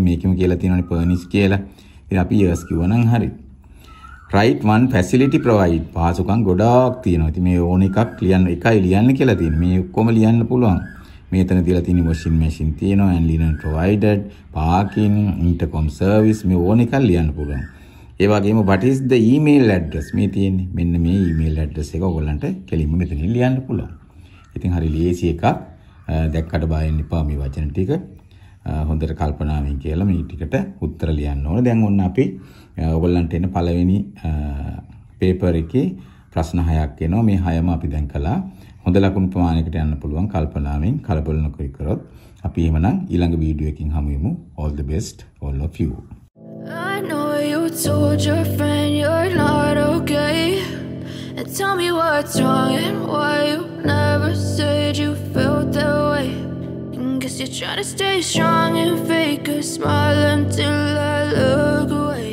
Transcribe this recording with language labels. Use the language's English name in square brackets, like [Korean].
[Sinhala] ඉතින් මේකෙම කියලා තියෙනවානේ පර්නිෂ් කියලා. ඉතින් අපි යස් කිව්වනම් හරි. [English] right 1 facility provide [Sinhala] පහසුකම් ගොඩාක් තියෙනවා. ඉතින් මේ ඕන එකක් ලියන්න එකයි ලියන්න කියලා තියෙන. මේ ඔක්කොම ලියන්න පුළුවන්. මේතන දීලා තියෙන වොෂින් මැෂින් තියෙනවා [English] and linen provided, parking, intercom service [Sinhala] මේ ඕන එකක් ලියන්න පුළුවන්. ඒ වගේම [English] what is the email address [Sinhala] මේ තියෙන්නේ. මෙන්න මේ email address එක ඔයගොල්ලන්ට කෙලින්ම මෙතන ලියන්න පුළුවන්. ඉතින් හරි ලේසි එකක් දැක්කට බයෙන් ඉපා මේ වචන ටික හොඳට කල්පනාමින් කියලා මේ ටිකට උත්තර ලියන්න ඕනේ. දැන් ඔන්න අපි ඔයගොල්ලන්ට එන පළවෙනි පේපර් එකේ ප්‍රශ්න 6ක් එනවා. මේ 6ම අපි දැන් කළා. හොඳ ලකුණු ප්‍රමාණයකට යන්න පුළුවන් කල්පනාමින් කලබල නොකර කරොත්. අපි එහෙමනම් ඊළඟ වීඩියෝ එකකින් හමු වෙමු. [English] All the best all of you. I know you told your friend you're not okay. And tell me what's wrong and why you never said you felt that way. Guess you're trying to stay strong and fake a smile until I look away.